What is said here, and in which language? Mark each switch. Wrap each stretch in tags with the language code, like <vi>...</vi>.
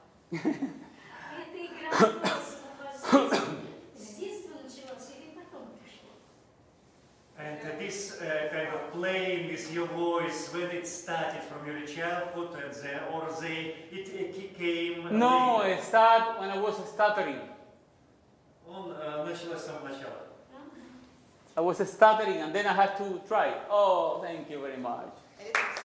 <ru>Эта игра началась у вас с детства началась или потом пришла?</ru> <en>And this kind of playing with your voice, when it started from your childhood and the, or the, it, it came... No, it started when I was stuttering.</en> <ru>Он начался с самого начала.</ru> <en>I was stuttering and then I had to try. Oh, thank you very much.</en>